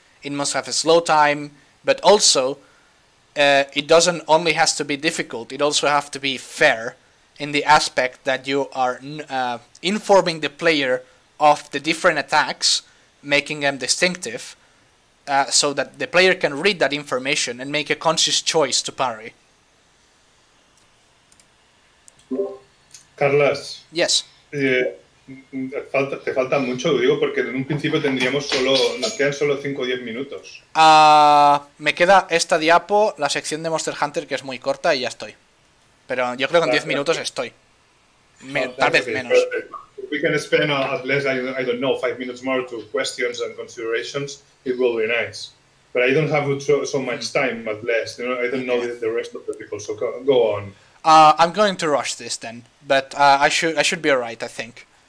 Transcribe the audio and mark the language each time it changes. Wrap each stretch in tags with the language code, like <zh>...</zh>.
<en>It must have a slow time, but also, it doesn't only has to be difficult, it also have to be fair in the aspect that you are informing the player of the different attacks, making them distinctive, so that the player can read that information and make a conscious choice to parry. Carlos. Yes.</en> <es>Te falta mucho, lo digo, porque en un principio tendríamos solo, nos quedan solo 5 o 10 minutos. Me queda esta diapo, la sección de Monster Hunter, que es muy corta, y ya estoy. Pero yo creo que en 10 minutos estoy. Tal vez menos.</es> <en>If we can spend at least, I don't know, 5 minutes more to questions and considerations, it will be nice. But I don't have so much time, at least. You know, I don't know the rest of the people, so go on. I'm going to rush this then, but I should be alright, I think.</en>